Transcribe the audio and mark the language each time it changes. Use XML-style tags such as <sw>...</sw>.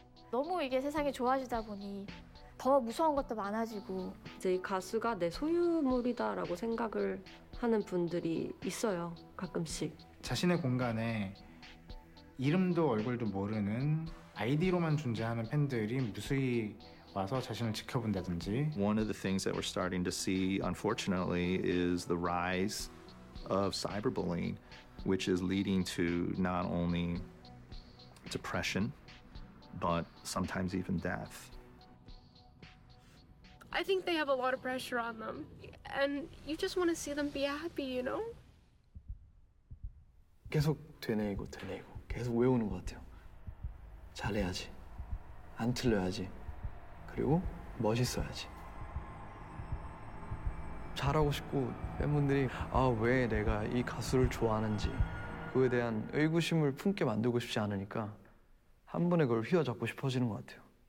<ko>너무 이게 세상이 좋아지다 보니 더 무서운 것도 많아지고 이제 이 가수가 내 소유물이다라고 생각을 하는 분들이 있어요, 가끔씩. 자신의 공간에 이름도 얼굴도 모르는 아이디로만 존재하는 팬들이 무수히 와서 자신을 지켜본다든지.</ko> <en>One of the things that we're starting to see, unfortunately, is the rise of cyberbullying, which is leading to not only depression, but sometimes even death. I think they have a lot of pressure on them, and you just want to see them be happy, you know?</en> <ko>계속 되뇌이고 되뇌이고 계속 외우는 것 같아요. 잘해야지, 안 틀려야지. 그리고 멋있어야지. 잘하고 싶고 팬분들이 아, 왜 내가 이 가수를 좋아하는지 그에 대한 의구심을 품게 만들고 싶지 않으니까 한 번에 그걸 휘어잡고 싶어지는 것 같아요.</ko>